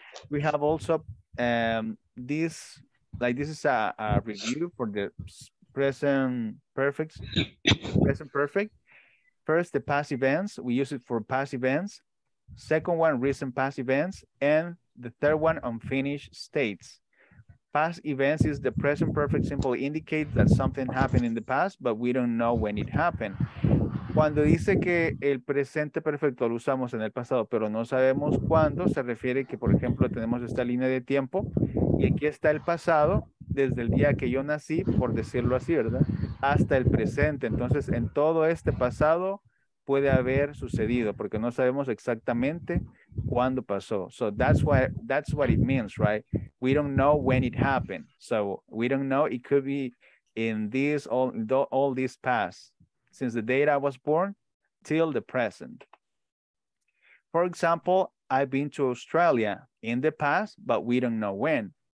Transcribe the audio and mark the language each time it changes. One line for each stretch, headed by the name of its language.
English: We have also this, like this is a review for the present perfect. First, the past events. We use it for past events. Second one, recent past events. And the third one, unfinished states. Past events is the present perfect simple indicates that something happened in the past, but we don't know when it happened.
Spanish: Cuando dice que el presente perfecto lo usamos en el pasado, pero no sabemos cuándo, se refiere que, por ejemplo, tenemos esta línea de tiempo y aquí está el pasado desde el día que yo nací, por decirlo así, ¿verdad? Hasta el presente. Entonces, en todo este pasado, puede haber sucedido, porque no sabemos exactamente cuándo pasó.
English: So that's what it means, right? We don't know when it happened. So we don't know, it could be in this all this past, since the date I was born till the present. For example, I've been to Australia in the past, but we don't know when.